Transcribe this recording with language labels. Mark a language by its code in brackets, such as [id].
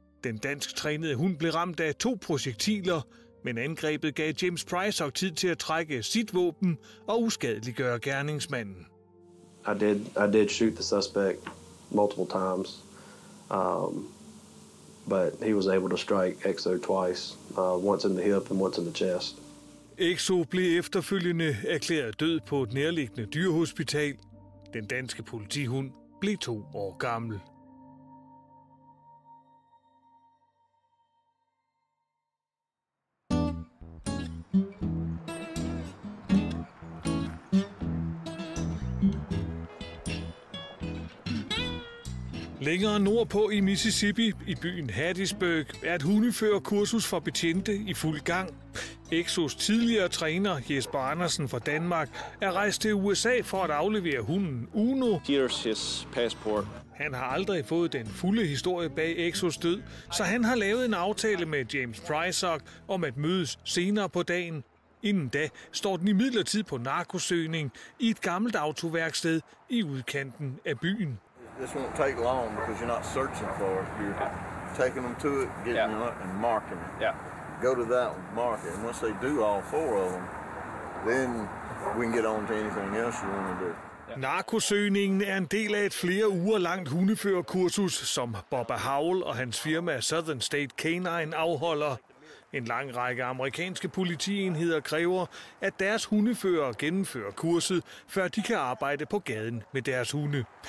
[da] Den dansk trænede hund blev ramt af to projektiler, men angrebet gav James Prysock tid til at trække sit våben og uskadeliggøre gerningsmanden. [en] I did shoot the suspect multiple times, but he was able to strike Exo twice, once in the hip and once in the chest. [da] Exo blev efterfølgende erklæret død på et nærliggende dyrehospital. Den danske politihund blev 2 år gammel. Længere nordpå i Mississippi, i byen Hattiesburg, er et hundeførerkursus for betjente i fuld gang. Exos tidligere træner, Jesper Andersen fra Danmark, er rejst til USA for at aflevere hunden Uno. [en] Here's his passport. [da] Han har aldrig fået den fulde historie bag Exos død, så han har lavet en aftale med James Prysock om at mødes senere på dagen. Inden da står den imidlertid på narkosøgning i et gammelt autoværksted i udkanten af byen. [en] This won't take long because you're not searching for it. You're taking them to it, getting it, and marking it. Yeah. Go to that market, and once they do all 4 of them, then we can get on to anything else you want to do. [da] Narkosøgningen er en del af et flere uger langt hundeførerkursus, som Bobba Howell og hans firma Southern State Canine afholder. En lang række amerikanske politienheder kræver, at deres hundefører gennemfører kurset, før de kan arbejde på gaden med deres hunde.